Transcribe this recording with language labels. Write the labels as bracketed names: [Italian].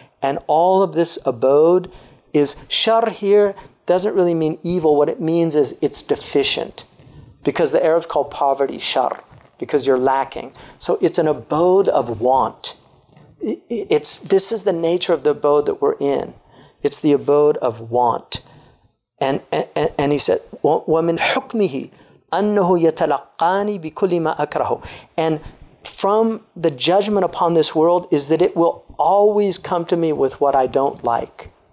[English] And all of this abode is, shar here doesn't really mean evil. What it means is it's deficient. Because the Arabs call poverty shar, because you're lacking. So it's an abode of want. This is the nature of the abode that we're in. It's the abode of want. And he said, [Arabic] وَمِنْ حُكْمِهِ أَنَّهُ يَتَلَقَّانِ بِكُلِّ مَا أَكْرَهُ. [English] And from the judgment upon this world is that it will always come to me with what I don't like.